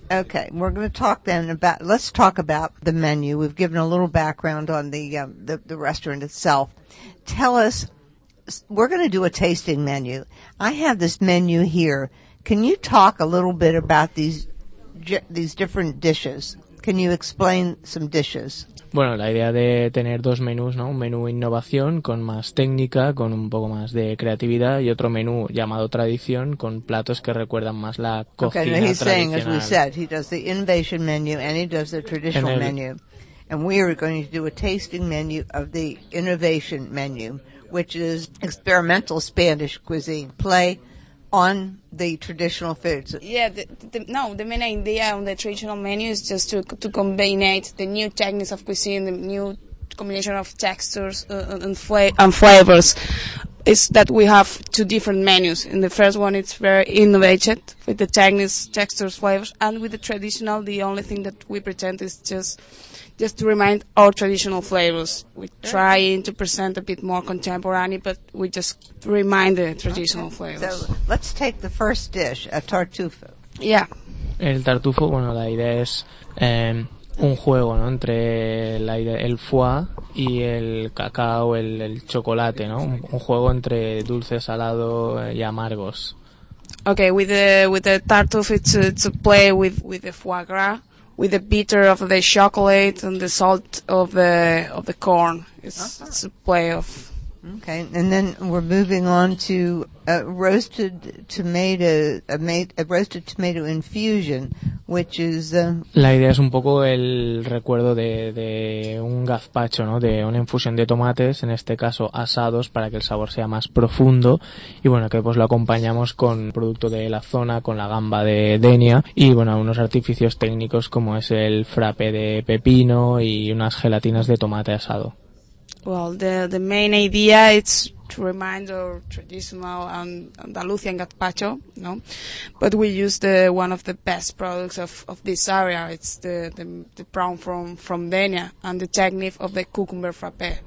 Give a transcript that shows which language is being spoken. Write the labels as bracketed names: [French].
[English] Okay, we're going to talk then about, let's talk about the menu. We've given a little background on the restaurant itself. Tell us, we're going to do a tasting menu. I have this menu here. Can you talk a little bit about these different dishes? Can you explain some dishes? [Spanish] Bueno, la idea de tener dos menús, ¿no? Un menú innovación con más técnica, con un poco más de creatividad, y otro menú llamado tradición con platos que recuerdan más la cocina tradicional. [English] Okay, he's saying, as we said, he does the innovation menu and he does the traditional menu. And we are going to do a tasting menu of the innovation menu, which is experimental Spanish cuisine. Play on the traditional foods. Yeah, the main idea on the traditional menu is just to combine the new techniques of cuisine, the new combination of textures and flavors. Is that we have two different menus. In the first one, it's very innovative with the techniques, textures, flavors, and with the traditional, the only thing that we pretend is just to remind our traditional flavors. We're trying to present a bit more contemporary, but we just remind the traditional flavors. So let's take the first dish, a tartufo. Yeah. [Spanish] El tartufo, bueno, la idea es un juego, ¿no? Entre el foie y el cacao, el chocolate, ¿no? Un juego entre dulce, salado y amargos. [English] Okay, with the tartufo, it's a play with the foie gras. With the bitter of the chocolate and the salt of the corn. It's a play of. Okay, and then we're moving on to a roasted tomato infusion, which is [Spanish] la idea es un poco el recuerdo de un gazpacho, ¿no? De una infusión de tomates, en este caso asados, para que el sabor sea más profundo. Y bueno, que pues lo acompañamos con producto de la zona, con la gamba de Denia y bueno, unos artificios técnicos como es el frappe de pepino y unas gelatinas de tomate asado. [English] Well, the main idea is to remind our traditional Andalusian gazpacho, no? But we use the one of the best products of this area. It's the brown from Denia and the technique of the cucumber frappe.